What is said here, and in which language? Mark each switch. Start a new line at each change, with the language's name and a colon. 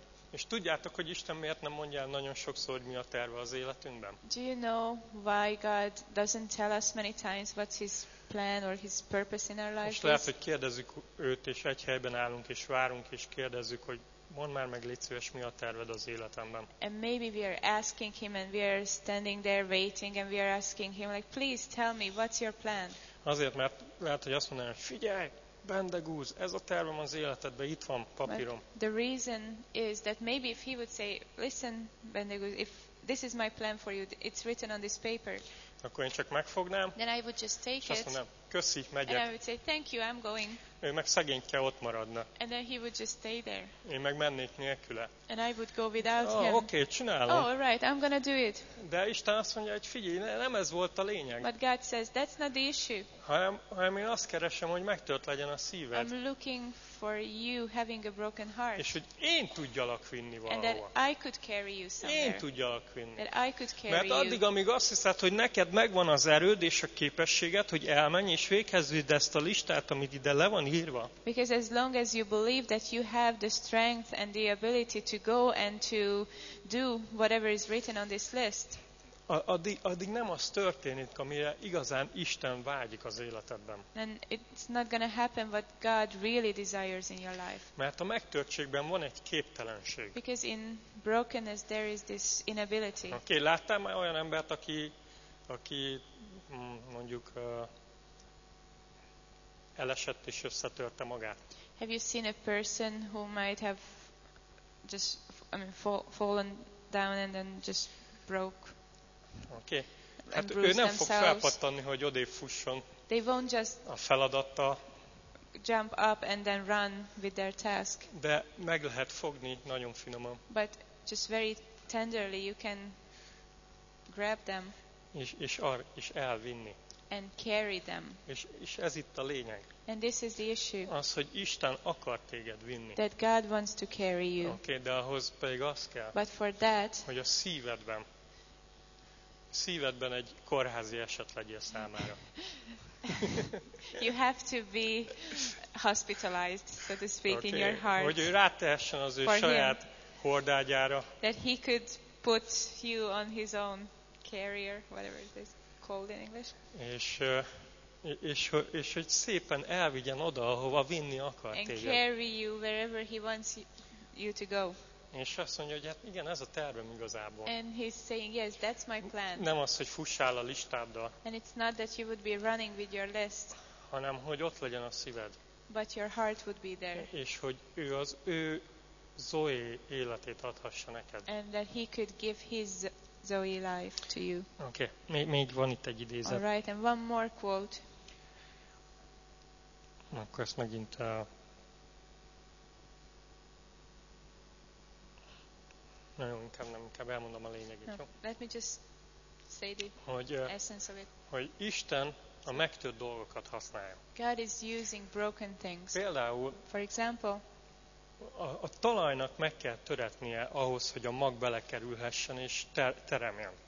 Hungarian: És tudjátok, hogy Isten miért nem mondja el nagyon sokszor, hogy mi a terve az életünkben?
English: Do you know why God doesn't tell us many times what's his plan or his purpose in our lives?
Hungarian: És lehet, hogy kérdezzük őt, és egy helyben állunk, és várunk, és kérdezzük, hogy mondd már meg, légy szíves, mi a terved az életemben?
English: And maybe we are asking him, and we are standing there waiting, and we are asking him, like, please tell me, what's your plan?
Hungarian: Azért, mert lehet, hogy azt mondanám, hogy figyelj! Bendegúz, ez a tervem az életedben, itt van papírom.
English: But the reason is that maybe if he would say, listen, Bendegúz, if this is my plan for you, it's written on this paper.
Hungarian: Akkor én csak megfognám.
English: Then I would just take
Hungarian: it. Köszi, megyek.
English: And I would say, thank you, I'm going.
Hungarian: Ő meg szegényke ott maradna.
English: And then he would just stay there.
Hungarian: Én meg mennék nélküle.
English: And I would go without him.
Hungarian: Okay, csinálom.
English: Oh, all right, I'm gonna do it.
Hungarian: De Isten azt mondja, hogy figyelj, nem ez volt a lényeg.
English: But God says, that's not the issue.
Hungarian: Hanem én azt keresem, hogy megtört legyen a szíved.
English: I'm looking for you having a broken heart.
Hungarian: És hogy én tudjalak vinni valahova.
English: And that I could carry you somewhere.
Hungarian: Én tudjalak vinni.
English: That I could carry you.
Hungarian: Mert addig, amíg azt hiszed, hogy neked megvan az erőd és a képességed, hogy elmenj és véghez vidd ezt a listát, amit ide le van írva.
English: Because as long as you believe that you have the strength and the ability to go and to do whatever is written on this list.
Hungarian: Addig nem az történik, amire igazán Isten vágyik az életedben.
English: And it's not gonna happen what God really desires in your life.
Hungarian: Mert a megtörtségben van egy képtelenség.
English: Because in brokenness there is this inability.
Hungarian: Oké, okay, láttam már olyan embert, aki mondjuk elesett és összetörte magát.
English: Have you seen a person who might have just fallen down and then just broke? Okay.
Hungarian: Hát ő nem fog felpattanni, hogy odébb fusson.
English: They won't just
Hungarian: a feladata.
English: Jump up and then run with their task.
Hungarian: De meg lehet fogni nagyon finoman.
English: But just very tenderly you can grab them.
Hungarian: És elvinni.
English: and carry them.
Hungarian: És ez itt a lényeg.
English: And this is the issue.
Hungarian: Az, hogy Isten akar téged vinni.
English: That God wants to carry you.
Hungarian: Okay, de ahhoz pedig az kell.
English: But for that,
Hungarian: hogy a szívedben egy kórházi eset legyél számára.
English: You have to be hospitalized, so to speak, okay, in your heart.
Hungarian: Hogy ő rátehessen az ő saját hordágyára.
English: That he could put you on his own carrier, whatever it is called in English.
Hungarian: És hogy szépen elvigyen oda, ahova vinni akar téged.
English: And carry you wherever he wants you to go.
Hungarian: És azt mondja, hogy hát igen, ez a tervem igazából.
English: And he's saying, yes, that's my plan.
Hungarian: Nem az, hogy fussál a listáddal.
English: And it's not that you would be running with your list.
Hungarian: Hanem, hogy ott legyen a szíved.
English: But your heart would be there.
Hungarian: És hogy ő az ő Zoe életét adhassa neked.
English: And that he could give his Zoe life to you.
Hungarian: Okay, még van itt egy idézet.
English: All right, and one more quote.
Hungarian: Akkor ezt megint inkább elmondom a lényegét, jó?
English: Let me just say the essence of it.
Hungarian: Hogy Isten a megtört dolgokat használja.
English: God is using broken things.
Hungarian: Például,
English: for example,
Hungarian: a talajnak meg kell töretnie ahhoz, hogy a mag belekerülhessen és teremjen.